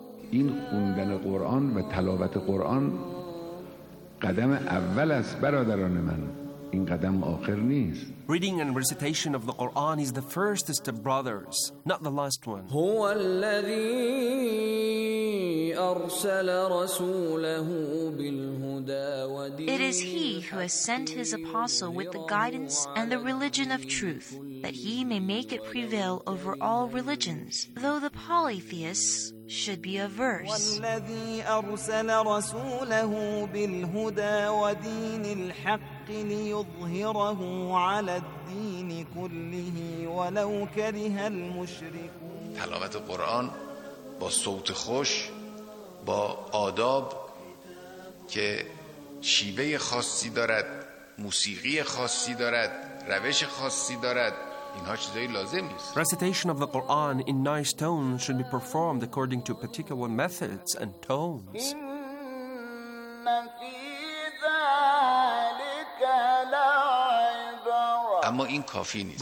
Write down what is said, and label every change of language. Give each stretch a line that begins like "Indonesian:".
Persian: این خوندن قرآن و تلاوت قرآن قدم اول است برادران من این قدم آخر نیست
English: Reading and recitation of the Quran is the first step brothers not the last one
Arabic: هو الذی ارسل رسوله بالهدى و دین
English: It is he who has sent his apostle with the guidance and the religion of truth that he may make it prevail over all religions though the polytheists should be averse
Arabic: والذي ارسل رسوله بالهدى ودين الحق ليظهره على الدين كله ولو كره المشركون
Persian: تلاوت قرآن با صوت خوش با آداب که شیوه خاصی دارد موسیقی خاصی دارد روش خاصی دارد
English: Recitation of the Quran in nice tones should be performed according to particular methods and tones.